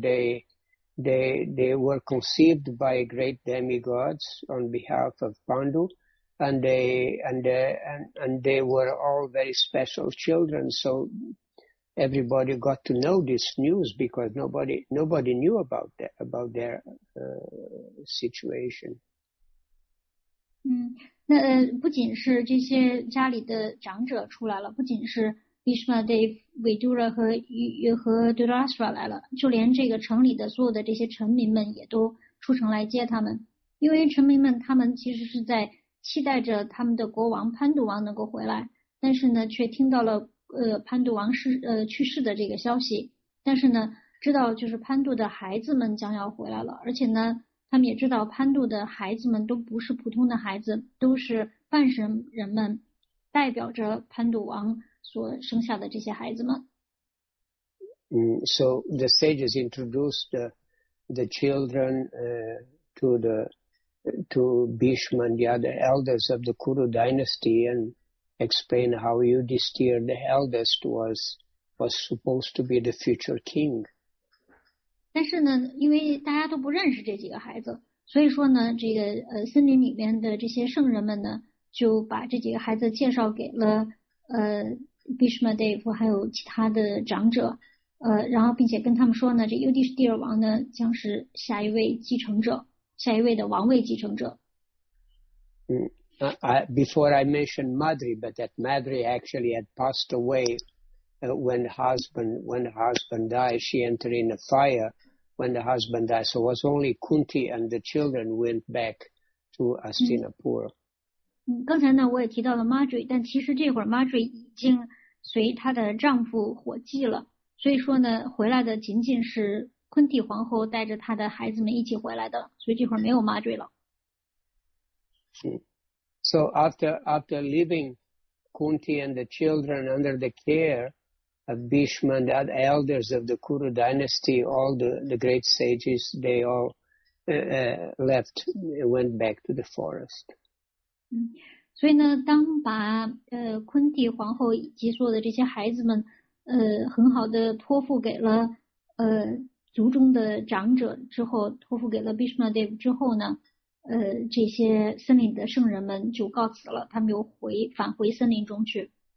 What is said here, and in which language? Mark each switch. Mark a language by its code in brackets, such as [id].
[en] They were conceived by great demigods on behalf of Pandu, and they were all very special children. So, everybody got to know this news because nobody knew about their situation. [zh] 那不仅是这些家里的长者出来了，不仅是 Bhishma Dev、Vidura 和 Dhritarashtra 来了，就连这个城里的所有的这些臣民们也都出城来接他们，因为臣民们他们其实是在期待着他们的国王潘度王能够回来，但是呢却听到了潘度王去世的这个消息，但是呢知道就是潘度的孩子们将要回来了，而且呢他们也知道潘度的孩子们都不是普通的孩子，都是半神人们，代表着潘度王所生下的这些孩子们。 [en] So the sages introduced the children to Bhishma and the other elders of the Kuru dynasty and explained how Yudhishthira, the eldest, was supposed to be the future king. [zh] 但是呢，因为大家都不认识这几个孩子，所以说呢，这个森林里面的这些圣人们呢，就把这几个孩子介绍给了Bhishma Dev 还有其他的长者。然后并且跟他们说呢，这尤迪士蒂尔王呢将是下一位继承者，下一位的王位继承者。 [en] Before I mentioned Madri, but that Madri actually had passed away when her husband died, she entered in a fire when the husband died. So it was only Kunti and the children went back to Hastinapura. [zh] 刚才呢我也提到了 Madri, 但其实这会儿 Madri 已经随她的丈夫火祭了，所以说呢回来的仅仅是 Kunti 皇后带着她的孩子们一起回来的，所以这会儿没有 Madri 了。 [en] So after leaving Kunti and the children under the care of Bhishma and the elders of the Kuru dynasty, all the great sages, they all left, went back to the forest. [zh] 所以呢，当把昆蒂皇后以及所有的这些孩子们很好的托付给了族中的长者之后，托付给了 Bhishma Dev 之后呢？这些森林的圣人们就告辞了，他们又返回森林中去。